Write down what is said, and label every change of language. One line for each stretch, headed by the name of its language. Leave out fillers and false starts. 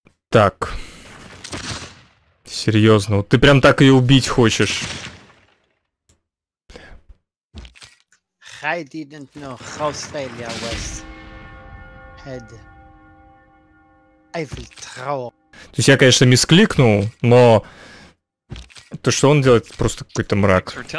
Russian: Так. Серьезно, вот ты прям так и убить хочешь.
English: I didn't know Australia was had Eiffel Tower.
Russian: То есть я, конечно, мискликнул, но то, что он делает, просто какой-то мрак.